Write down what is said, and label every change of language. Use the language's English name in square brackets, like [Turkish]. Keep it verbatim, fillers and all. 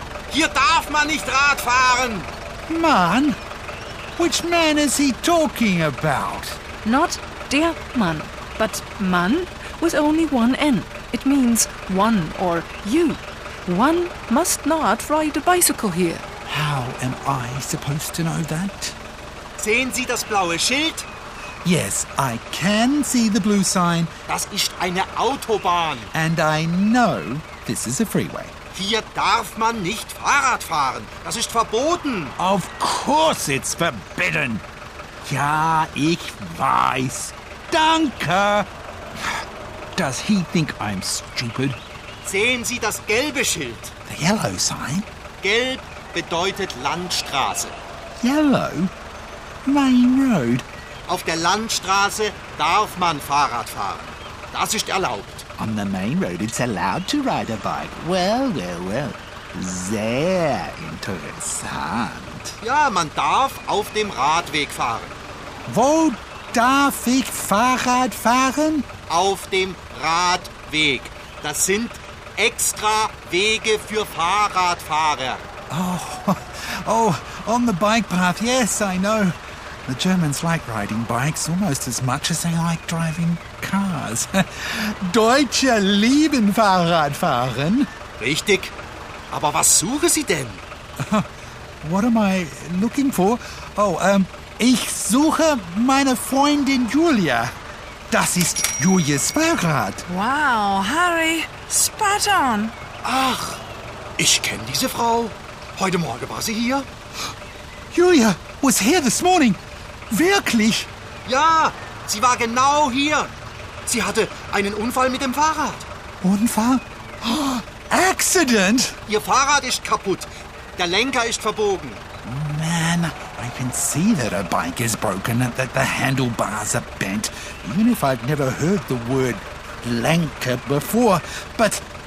[German] Hier darf man nicht Rad fahren. Man? [English] Which man is he talking about? Not der Mann, but Mann with only one N. It means one or you. One must not ride a bicycle here. How am I supposed to know that? [German] Sehen Sie das blaue Schild? [English] Yes, I can see the blue sign. [German] Das ist eine Autobahn. [English] And I know this is a freeway. [German] Hier darf man nicht Fahrrad fahren. Das ist verboten. [English] Of course it's forbidden. [German] Ja, ich weiß. Danke. [English] Does he think I'm stupid? [German] Sehen Sie das gelbe Schild? [English] The yellow sign? [German] Gelb bedeutet Landstraße. [English] Yellow? Main Road? [German] Auf der Landstraße darf man Fahrrad fahren. Das ist erlaubt. [English] On the main road it's allowed to ride a bike. Well, well, well. [German] Sehr interessant. Ja, man darf auf dem Radweg fahren. Wo darf ich Fahrrad fahren? Auf dem Radweg. Das sind extra Wege für Fahrradfahrer. [English] Oh, oh, on the bike path, yes, I know. The Germans like riding bikes almost as much as they like driving cars. [German] Deutsche lieben Fahrradfahren. Richtig. Aber was suchen Sie denn? [English] What am I looking for? [German] Oh, ähm, ich suche meine Freundin Julia. Das ist Julias Fahrrad. [English] Wow, Harry, spot on. [German] Ach, ich kenne diese Frau. Heute Morgen war sie hier. [English] Julia was here this morning. [German] Wirklich? Ja, sie war genau hier. Sie hatte einen Unfall mit dem Fahrrad. Unfall? [English] Oh, accident? [German] Ihr Fahrrad ist kaputt. Der Lenker ist verbogen. [English] Man, I can see that her bike is broken and that the handlebars are bent. Even if I've never heard the word Lenker before. But